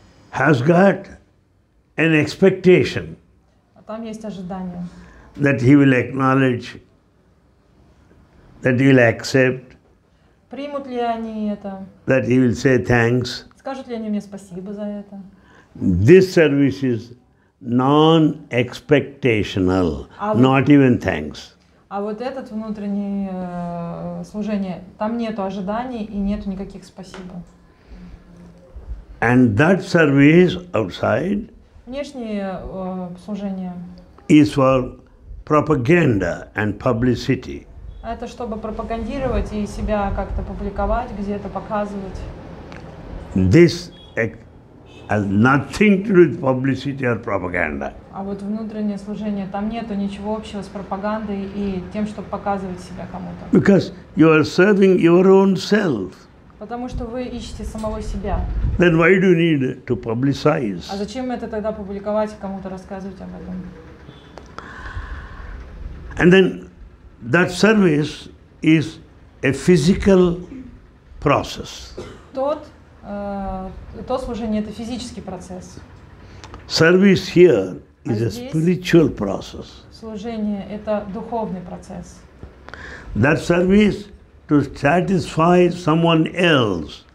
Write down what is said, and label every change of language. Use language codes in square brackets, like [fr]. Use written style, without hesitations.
[en] Has got an expectation. [ru] А там есть ожидание. [en] That he will acknowledge. That he will accept. [ru] Примут ли они это? [en] That he will say thanks. [ru] Скажут ли они мне спасибо за это? [en] This service is non-expectational, not even thanks. [ru] А вот этот внутреннее служение, там нету ожиданий и нету никаких спасибо. [en] And that service outside. [ru] Внешнее служение. [en] Is for propaganda and publicity. [ru] Это чтобы пропагандировать и себя как-то публиковать, где-то показывать. [en] This has nothing to do with publicity or propaganda. [ru] А вот внутреннее служение, там нету ничего общего с пропагандой и тем, чтобы показывать себя кому-то. [en] Because you are serving your own self. [ru] Потому что вы ищете самого себя. [en] Then why do you need to publicize? [ru] А зачем это тогда публиковать и кому-то рассказывать об этом? [en] And then that service is a physical process. [ru] То служение – это физический процесс. [en] Service here is a spiritual process. [ru] Служение – это духовный процесс. [en] That service to satisfy someone else.